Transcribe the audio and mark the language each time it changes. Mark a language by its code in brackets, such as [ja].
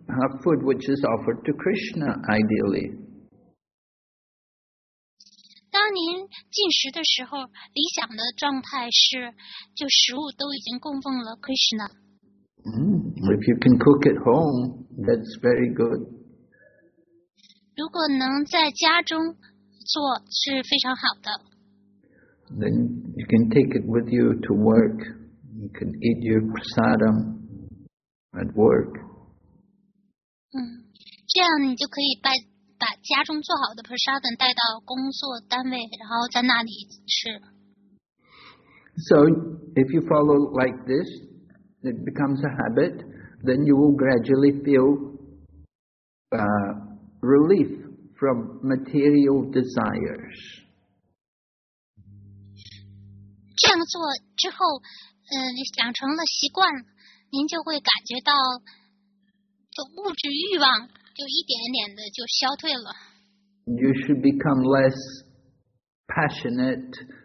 [en] Have food which is offered to Krishna, ideally. [zh] 当您进食的时候，理想的状态是，就食物都已经供奉了 Krishna. [en] If you can cook at home, that's very good. [zh] 如果能在家中做是非常好的。 [en] Then you can take it with you to work. You can eat your prasadam at work. [zh] 这样你就可以把家中做好的 prasadam 带到工作单位，然后在那里吃。 [en] So if you follow like this, it becomes a habit, then you will gradually feel relief from material desires. [zh] 这样做之后，养成了习惯，您就会感觉到就物质欲望就一点一点的就消退了。 [en] You should become less passionate.